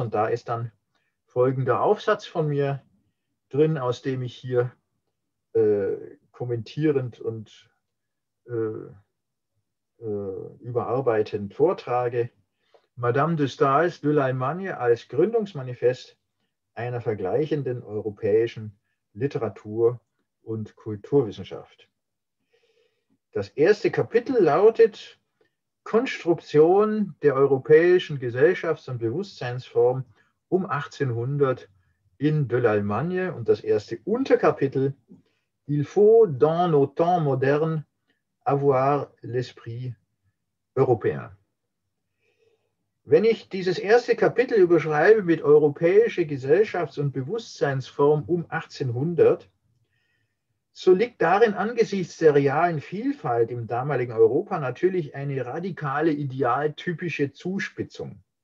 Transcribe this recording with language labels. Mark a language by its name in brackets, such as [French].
[German] Und da ist dann folgender Aufsatz von mir drin, aus dem ich hier kommentierend und überarbeitend vortrage: Madame de Staël's de l'Allemagne als Gründungsmanifest einer vergleichenden europäischen Literatur- und Kulturwissenschaft. Das erste Kapitel lautet: Konstruktion der europäischen Gesellschafts- und Bewusstseinsform um 1800 in de l'Allemagne. Und das erste Unterkapitel: [French] Il faut dans nos temps modernes avoir l'esprit européen. [German] Wenn ich dieses erste Kapitel überschreibe mit europäische Gesellschafts- und Bewusstseinsform um 1800, so liegt darin angesichts der realen Vielfalt im damaligen Europa natürlich eine radikale idealtypische Zuspitzung.